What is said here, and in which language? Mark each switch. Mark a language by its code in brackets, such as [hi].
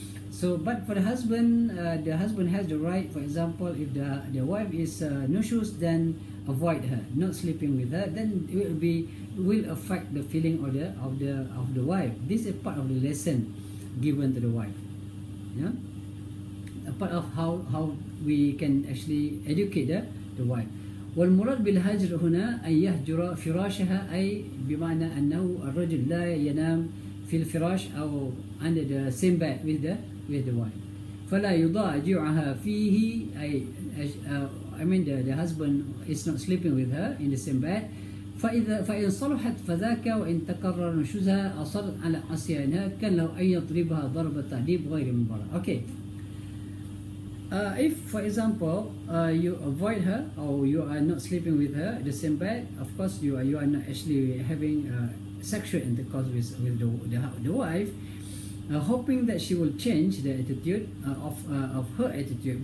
[en] So, but for the husband has the right. For example, if the wife is nauseous, then avoid her, not sleeping with her. Then it will be, will affect the feeling of the, of the, of the wife. This is part of the lesson given to the wife. Yeah, a part of how we can actually educate the wife. [ar] والمراد بالهجر هنا أن يهجر فراشها أي بمعنى أنه الرجل لا ينام في الفراش أو [en] under the same bed with the, with the wife. [ar] فلا يضاجعها فيه أي [en] I mean the husband is not sleeping with her in the same bed. [ar] فإن صلحت فذاك وإن تكرر نشوزها أصرت على عصيانها كان لو أن يضربها ضربة تعذيب غير مبرر. [en] Okay. If, for example, you avoid her or you are not sleeping with her in the same bed, of course you are not actually having sexual intercourse with the wife, hoping that she will change the attitude of her attitude.